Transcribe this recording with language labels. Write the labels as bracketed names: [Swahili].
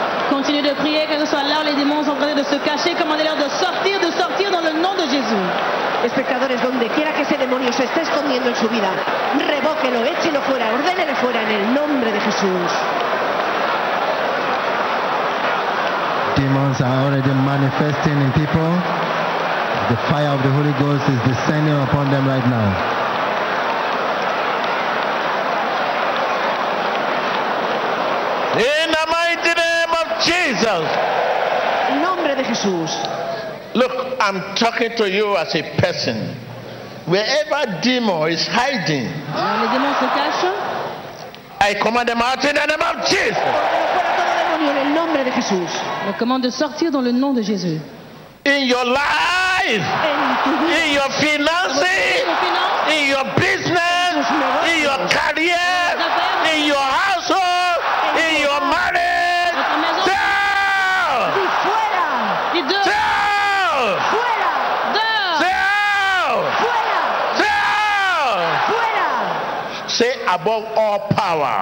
[French] Continue de prier, que soit là, les démons sont en train de se cacher. Commandez-leur de sortir dans le nom de Jésus. [Spanish] Espectadores, donde quiera que ese demonio se esté escondiendo en su vida, revóquelo, échelo fuera, ordénale fuera en el nombre de Jesús. [English] Demons are already manifesting in people. The fire of the Holy Ghost is descending upon them right now. In the mighty name of Jesus. [Spanish] Nombre de Jesús. [English] Look, I'm talking to you as a person. Wherever demon is hiding, [French] les démons se cachent. [English] I command them out in the name of Jesus. [French] Je commande de sortir dans le nom de Jésus. [English] In your life, in your finances, in your business, in your career, in your household, in your marriage, say above all power.